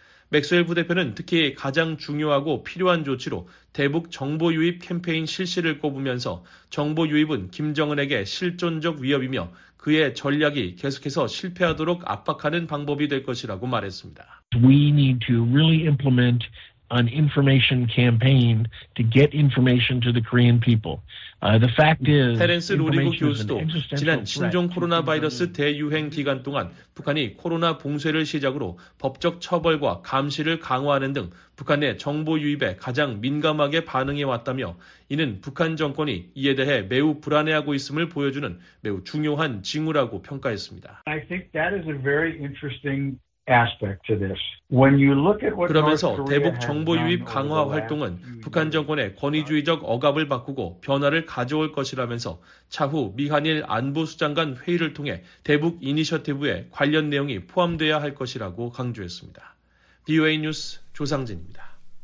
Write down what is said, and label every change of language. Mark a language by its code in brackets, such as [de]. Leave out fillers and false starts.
[ko] 맥스웰 부대표는 특히 가장 중요하고 필요한 조치로 대북 정보 유입 캠페인 실시를 꼽으면서 정보 유입은 김정은에게 실존적 위협이며 그의 전략이 계속해서 실패하도록 압박하는 방법이 될 것이라고 말했습니다. [en] We need to really implement an information campaign to get information to the Korean people. The fact is, [ko] 테렌스 로리그 교수도 지난 신종 코로나 바이러스 대유행 기간 동안 북한이 코로나 봉쇄를 시작으로 법적 처벌과 감시를 강화하는 등 북한 내 정보 유입에 가장 민감하게 반응해 왔다며 이는 북한 정권이 이에 대해 매우 불안해하고 있음을 보여주는 매우 중요한 징후라고 평가했습니다. [en] I think that is a very interesting aspect to this. When you look at what [ko] 그러면서 대북 정보 유입 강화 활동은 북한 정권의 권위주의적 억압을 바꾸고 변화를 가져올 것이라면서 차후 미한일 안보수장 간 회의를 통해 대북 이니셔티브에 관련 내용이 포함되어야 할 것이라고 강조했습니다. BOA 뉴스 조상진입니다.